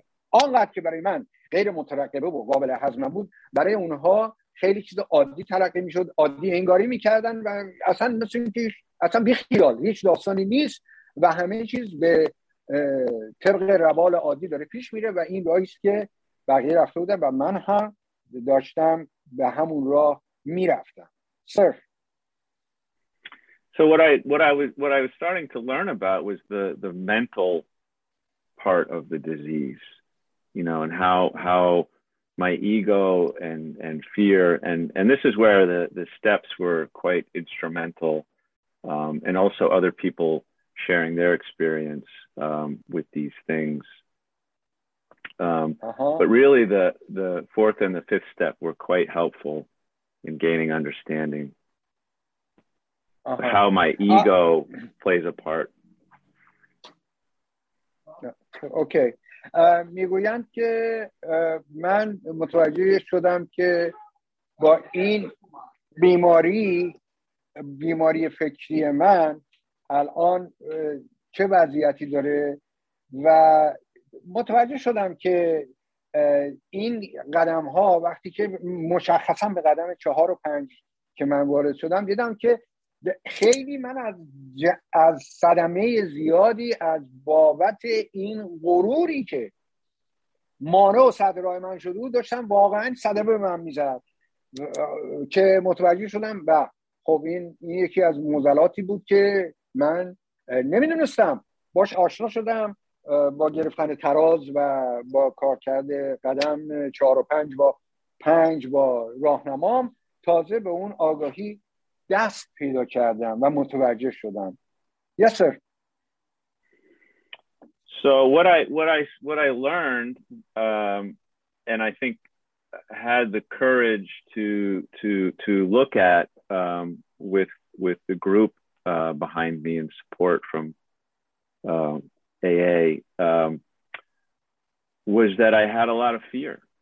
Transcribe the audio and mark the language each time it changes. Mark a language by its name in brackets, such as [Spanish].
[Persian] آنقدر که برای من غیر مترقبه و قابل هضم بود، برای اونها خیلی چیز عادی تلقی میشد، عادی انگاری میکردن و اصلا مثل اینکه اصلا بی خیال هیچ داستانی نیست و همه چیز به طبق روال عادی داره پیش میره و این راهی است که بقیه رفته بودن و من هم داشتم به همون راه میرفتم. صرف. [English] So what I was starting to learn about was the mental part of the disease, you know, and how my ego and fear and this is where the steps were quite instrumental, and also other people sharing their experience with these things. But really the fourth and the fifth step were quite helpful in gaining understanding. Uh-huh. How my ego plays a part. Okay. [Persian] میگویند که من متوجه شدم که با این بیماری فکری من الان چه وضعیتی داره و متوجه شدم که این قدم ها وقتی که مشخصا به قدم 4 و 5 که من وارد شدم، دیدم که خیلی من از صدمه زیادی از بابت این غروری که مانع و صدرای من شده بود داشتم واقعا صدمه به من میزد که متوجه شدم و خب این یکی از موزلاتی بود که من نمیدونستم باش آشنا شدم با گرفتن تراز و با کار کرده قدم 4 و 5 با پنج بار راهنمام تازه به اون آگاهی دست پیدا کردم و متوجه شدم. [English] Yes, sir. So what I learned and I think had the courage to look at with the group behind me and support from AA was that I had a lot of fear.